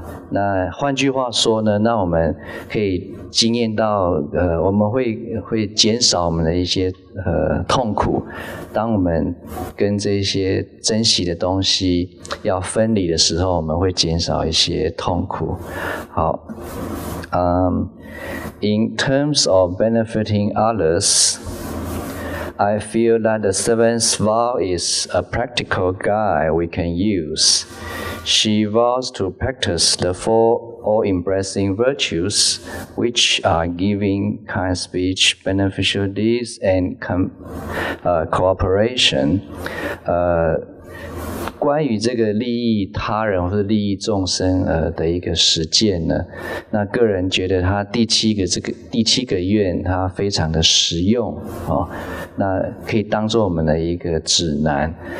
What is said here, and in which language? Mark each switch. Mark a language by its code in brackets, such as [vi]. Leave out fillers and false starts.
[zh] 那换句话说呢，那我们可以经验到我们会减少我们的一些痛苦。当我们跟这些珍惜的东西要分离的时候，我们会减少一些痛苦。 [en] 好，In terms of benefiting others, I feel that the seventh vow is a practical guide we can use. She vows to practice the four all-embracing virtues, which are giving, kind speech, beneficial deeds, and cooperation. [zh] 关于这个利益他人或是利益众生的一个实践呢，那个人觉得他第七个愿他非常的实用哦，那可以当作我们的一个指南。